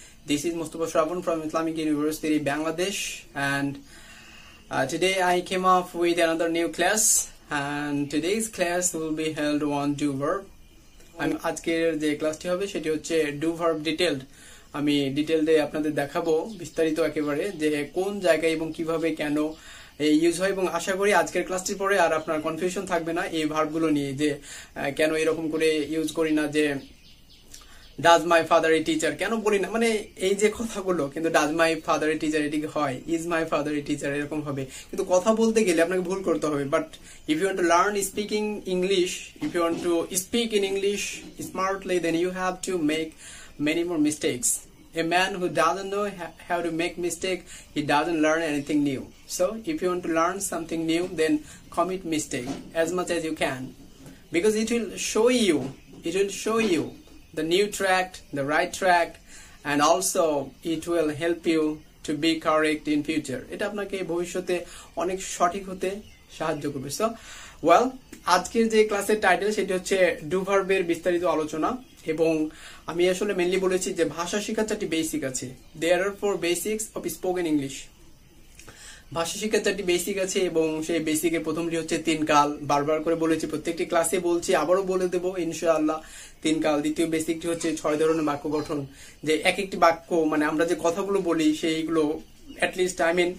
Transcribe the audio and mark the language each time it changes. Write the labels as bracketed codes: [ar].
[en] This is Mostofa Shrabon from Islamic University, Bangladesh. And today I came up with another new class. And today's class will be held on do verb. I'm asking the class to have a schedule do verb detailed. [bn] আমি ডিটেলে আপনাদের দেখাবো বিস্তারিত একেবারে যে কোন জায়গায় এবং কিভাবে কেন ইউজ হয় এবং আশা করি আজকের ক্লাসটি পরে আর আপনার কনফিউশন থাকবে না এই ভার্বগুলো নিয়ে যে কেন এরকম করে ইউজ করি না যে [en] does my father a teacher [bn] কেন বলি না মানে এই যে কথাগুলো কিন্তু [en] does my father a teacher [bn] এটি হয় [en] is my father a teacher [bn] এরকম হবে কিন্তু কথা বলতে গেলে আপনাকে ভুল করতে হবে [en] But if you want to learn speaking English if you want to speak in English smartly then you have to make many more mistakes. A man who doesn't know how to make mistake, he doesn't learn anything new. So if you want to learn something new, then commit mistake as much as you can. Because it will show you the new track, the right track, and also it will help you to be correct in future. [bn] Eta apnake bhobishyote onek shothik hote sahajjo korbe. So, well, আজকের যে ক্লাসের title সেটি হচ্ছে do ভার্বের বিস্তারিত আলোচনা এবং আমি আসলে মেইনলি বলেছি যে ভাষা শেখার চারটি বেসিক আছে [en] there are four basics of spoken English [bn] ভাষা শিক্ষার চারটি বেসিক আছে এবং সেই বেসিকের প্রথমটি হচ্ছে তিন কাল বারবার করে বলেছি প্রত্যেকটি ক্লাসে বলছি আবারও বলে দেব ইনশাআল্লাহ তিন কাল দ্বিতীয় বেসিকটি হচ্ছে ছয় ধরনের বাক্য গঠন যে এক একটি বাক্য মানে আমরা যে কথাগুলো বলি সেইগুলো অ্যাটলিস্ট আই